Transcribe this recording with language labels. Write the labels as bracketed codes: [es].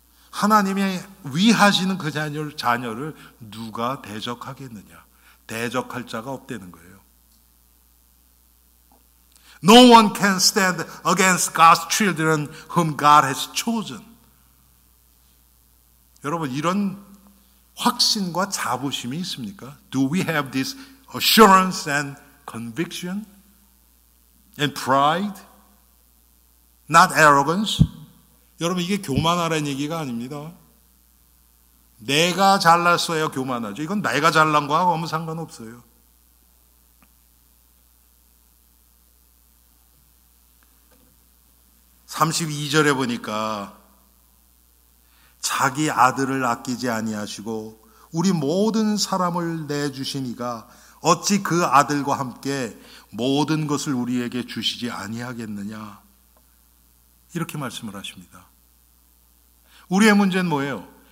[ko] 하나님의 위하시는 그 자녀를 누가 대적하겠느냐? 대적할 자가 없다는 거예요. [en] No one can stand against God's children whom God has chosen. [ko] 여러분, 이런 확신과 자부심이 있습니까? [en] Do we have this assurance and conviction and pride? Not arrogance? [ko] 여러분, 이게 교만하라는 얘기가 아닙니다. 내가 잘났어야 교만하죠. 이건 내가 잘난 거하고 아무 상관없어요. 32절에 보니까 자기 아들을 아끼지 아니하시고 우리 모든 사람을 내주신 이가 어찌 그 아들과 함께 모든 것을 우리에게 주시지 아니하겠느냐, 이렇게 말씀을 하십니다. 우리의 문제는 뭐예요?